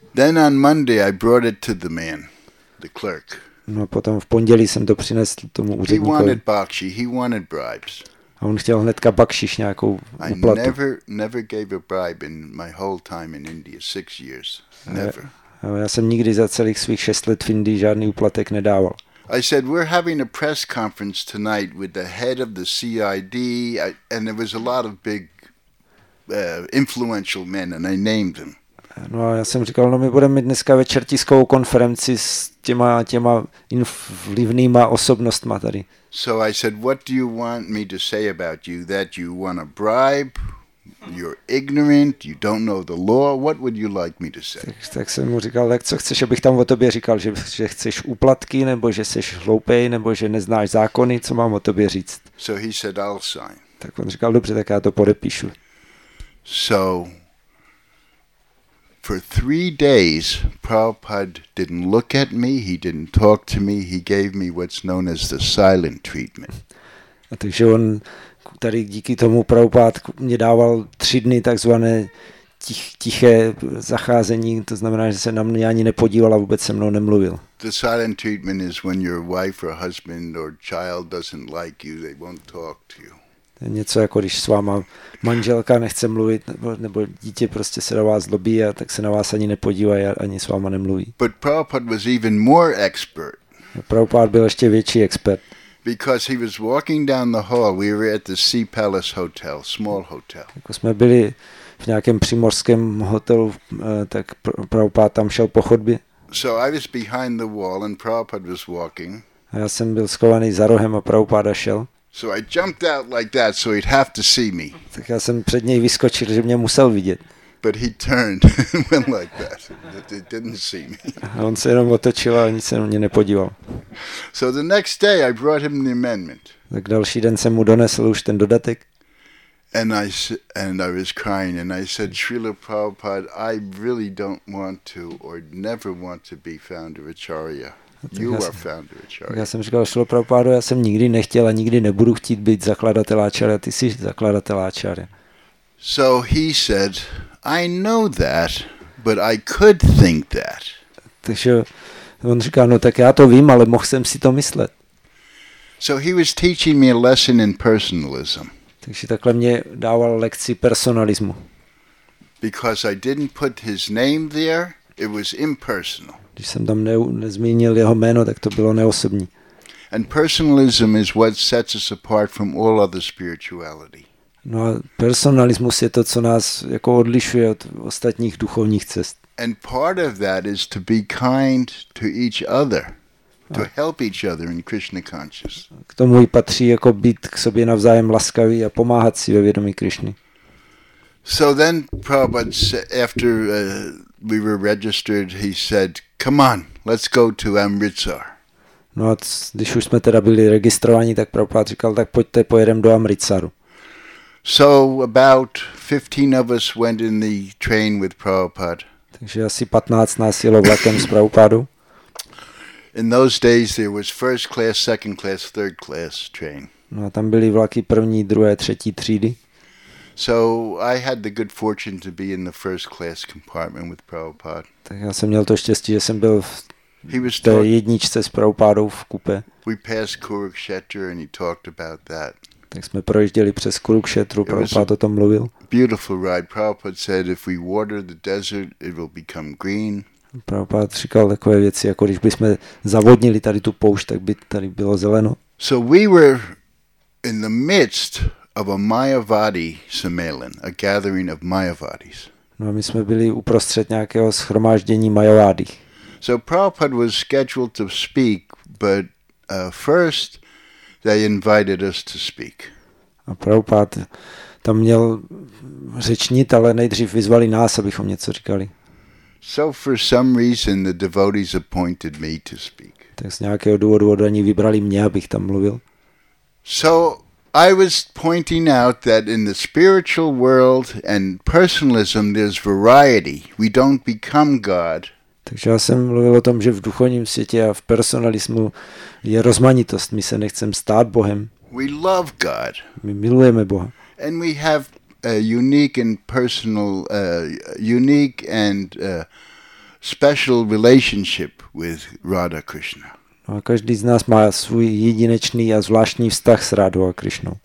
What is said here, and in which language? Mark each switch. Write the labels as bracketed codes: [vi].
[en] Then on Monday I brought it to the man, the clerk. [cs] No a potom v pondělí jsem to přinesl tomu úředníkovi. [en] He wanted bakshi, he wanted bribes. [cs] A on chtěl hnedka bakšiš, nějakou úplatu. [en] I never gave a bribe in my whole time in India, 6 years, never. [cs] Já jsem nikdy za celých svých 6 let v Indii žádný úplatek nedával. [en] I said we're having a press conference tonight with the head of the CID, and there was a lot of big influential men, and I named them. [cs] No, já jsem říkal, no my budeme mít dneska večer tiskovou konferenci s těma vlivnýma osobnostma tady. [en] So I said, what do you want me to say about you? That you want a bribe? You're ignorant, you don't know the law, what would you like me to say? [cs] Tak jsem mu říkal, jak co chceš, abych tam o tobě říkal, že chceš úplatky, nebo že jsi hloupej, nebo že neznáš zákony, co mám o tobě říct? [en] So he said, I'll sign. [cs] Tak on říkal, dobře, tak já to podepíšu. [en] So, for 3 days, Prabhupada didn't look at me, he didn't talk to me, he gave me what's known as the silent treatment. [cs] A takže on tady díky tomu Prabhupádku mě dával 3 dny takzvané tiché zacházení, to znamená, že se na mě ani nepodíval a vůbec se mnou nemluvil. [en] The silent treatment is when your wife or husband or child doesn't like you, they won't talk to you. [cs] To je něco jako když s váma manželka nechce mluvit, nebo dítě prostě se na vás zlobí a tak se na vás ani nepodívají a ani s váma nemluví. [en] But Prabhupada was even more expert. [cs] Prabhupád byl ještě větší expert. [en] Because he was walking down the hall, we were at the Sea Palace Hotel, small hotel. [cs] Jako jsme byli v nějakém přímořském hotelu, tak Prabhupád tam šel po chodbě. [en] So I was behind the wall and Prabhupád was walking. [cs] A já jsem byl schovaný za rohem a Prabhupáda šel. [en] So I jumped out like that so he'd have to see me. [cs] Tak já jsem před něj vyskočil, že mě musel vidět. [en] But he turned and went like that. He didn't see me. [cs] A on se jenom otočil a nic se na mě nepodíval. [en] So the next day I brought him the amendment. [cs] Tak další den jsem mu donesl už ten dodatek. [en] And I was crying and I said, Srila Prabhupada, I really don't want to or never want to be founder acharya. You are founder acharya. [cs] Já jsem říkal, Srila Prabhupada, já jsem nikdy nechtěl a nikdy nebudu chtít být zakladatel acharya, ty jsi zakladatel acharya. [en] So he said, I know that, but I could think that. [cs] Takže on říkal, no tak já to vím, ale mohl jsem si to myslet. [en] So he was teaching me a lesson in personalism. [cs] Takže takhle mě dával lekci personalismu. [en] Because I didn't put his name there, it was impersonal. [cs] Když jsem tam nezmínil jeho jméno, tak to bylo neosobní. [en] And personalism is what sets us apart from all other spirituality. [cs] No a personalismus je to, co nás jako odlišuje od ostatních duchovních cest. [en] And part of that is to be kind to each other. To help each other in Krishna consciousness. [cs] K tomu i patří jako být k sobě navzájem laskavý a pomáhat si ve vědomí Krišny. [en] So then Prabhupada, after we were registered, he said, come on, let's go to Amritsar. [cs] No a když už jsme teda byli registrováni, tak Prabhupada říkal, tak pojďte, pojedeme do Amritsaru. [en] So about 15 of us went in the train with Prabhupada. [cs] Takže asi 15 nás jelo vlakem s Prabhupádou. [en] In those days there was first class, second class, third class train. [cs] No, tam byly vlaky první, druhé, třetí třídy. [en] So I had the good fortune to be in the first class compartment with Prabhupada. [cs] Tak já jsem měl to štěstí, že jsem byl v té jedničce s Prabhupádou v kupe. [en] We passed Kurukshetra and he talked about that. [cs] Tak jsme projížděli přes Kurukshetru, Prabhupád o tom mluvil. [en] Beautiful ride. Prabhupada said if we water the desert, it will become green. [cs] Prabhupád říkal takové věci, jako když bychom zavodnili tady tu poušť, tak by tady bylo zeleno. [en] So we were in the midst of a Mayavadi sammelan, a gathering of Mayavadis. [cs] No a my jsme byli uprostřed nějakého shromáždění Mayavadi. [en] So Prabhupád was scheduled to speak, but first they invited us to speak. [cs] A Prabhupád tam měl řečnit, ale nejdřív vyzvali nás, abychom něco říkali. [en] So for some reason the devotees appointed me to speak. [cs] Tak z nějakého důvodu oni vybrali mě, abych tam mluvil. [en] So I was pointing out that in the spiritual world and personalism there's variety. We don't become God. [cs] Takže já jsem mluvil o tom, že v duchovním světě a v personalismu je rozmanitost. My se nechcem stát Bohem. [en] We love God. [cs] My milujeme Boha. [en] And we have a unique and personal unique and special relationship with Radha Krishna. [cs] No a každý z nás má svůj jedinečný a zvláštní vztah s Radhou a Krishnou.